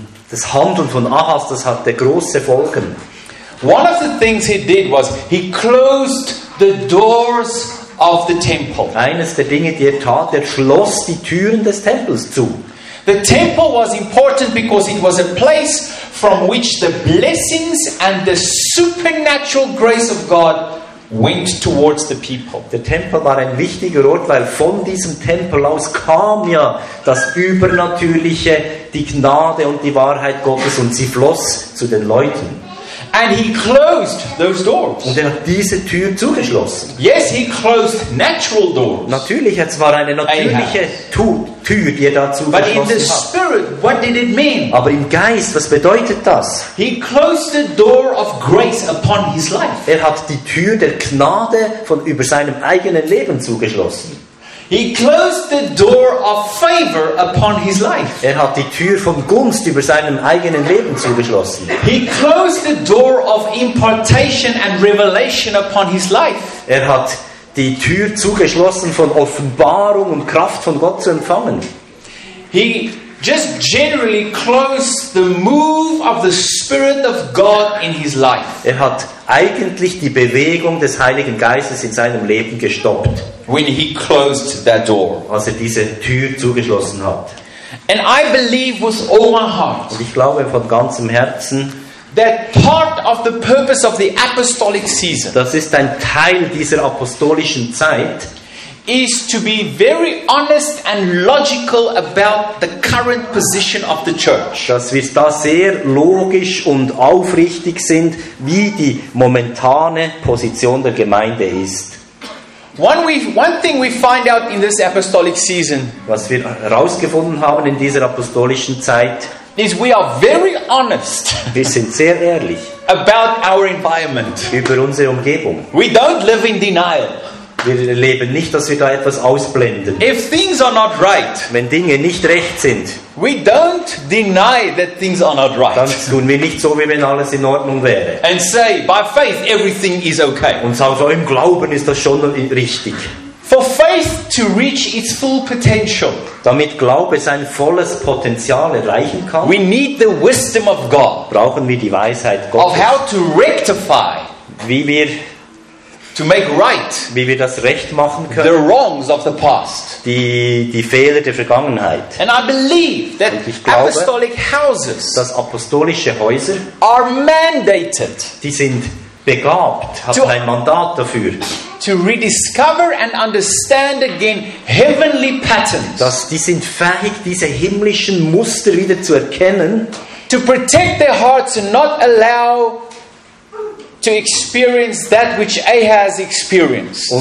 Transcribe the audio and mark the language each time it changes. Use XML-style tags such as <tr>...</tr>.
<de>Das Handeln von Ahaz, das hatte große Folgen.</de> <en>One of the things he did was he closed the doors of the temple.</en> <de>Eines der Dinge, die tat, schloss die Türen des Tempels zu.</de> <en>The temple was important because it was a place from which the blessings and the supernatural grace of God went towards the people.</en> <de>Der Tempel war ein wichtiger Ort, weil von diesem Tempel aus kam ja das Übernatürliche, die Gnade und die Wahrheit Gottes, und sie floss zu den Leuten.</de> <en>And he closed those doors.</en> <de>Und hat diese Tür zugeschlossen.</de> <en>Yes, he closed natural doors.</en> <de>Natürlich, es war eine natürliche Tür, die dazu</de> <en>But</en> <de>geschlossen</de> <en>in the spirit, what did it mean?</en> <de>Aber im Geist, was bedeutet das?</de> <en>He closed the door of grace upon his life.</en> <de>Hat die Tür der Gnade von über seinem eigenen Leben zugeschlossen.</de> <en>He closed the door of favor upon his life.</en> <de>Hat die Tür von Gunst über seinem eigenen Leben zugeschlossen.</de> <en>He closed the door of impartation and revelation upon his life.</en> <de>Hat die Tür zugeschlossen von Offenbarung und Kraft von Gott zu empfangen.</de> <en>He just generally closed the move of the Spirit of God in his life.</en> <de>Hat eigentlich die Bewegung des Heiligen Geistes in seinem Leben gestoppt.</de> <en>When he closed that door,</en> <de>als diese Tür zugeschlossen hat.</de> <en>And I believe with all my heart,</en> <de>und ich glaube von ganzem Herzen,</de> <en>that part of the purpose of the apostolic season,</en> <de>das ist ein Teil dieser apostolischen Zeit,</de> <en>is to be very honest and logical about the current position of the church.</en> <de>Dass wir da sehr logisch und aufrichtig sind, wie die momentane Position der Gemeinde ist.</de> <en>One thing we find out in this apostolic season,</en> <de>was wir herausgefunden haben in dieser apostolischen Zeit,</de> <en>is we are very honest.</en> <de>Wir sind sehr ehrlich</de> <en>about our environment.</en> <de>Über unsere Umgebung.</de> <en>We don't live in denial.</en> <de>Wir leben nicht, dass wir da etwas ausblenden.</de> <en>If things are not right,</en> <de>wenn Dinge nicht recht sind,</de> <en>we don't deny that things are not right.</en> <de>Dann tun wir nicht so, wie wenn alles in Ordnung wäre.</de> <en>And say, by faith, everything is okay.</en> <de>Und sagen so, im Glauben ist das schon richtig.</de> <en>For faith to reach its full potential,</en> <de>damit Glaube sein volles Potenzial erreichen kann,</de> <en>we need the wisdom of God,</en> <de>brauchen wir die Weisheit Gottes,</de> <en>of how to rectify,</en> <de>wie wir</de> <en>to make right,</en> <de>wie wir das recht machen können,</de> <en>the wrongs of the past,</en> <de>die Fehler der Vergangenheit.</de> <en>And I believe that apostolic houses,</en> <de>dass apostolische Häuser,</de> <en>are mandated,</en> <de>die sind begabt, haben ein Mandat dafür,</de> <en>to rediscover and understand again heavenly patterns,</en> <de>dass die sind fähig, diese himmlischen Muster wieder zu erkennen,</de> <en>to protect their hearts and not allow to experience that which Ahaz experienced.</en>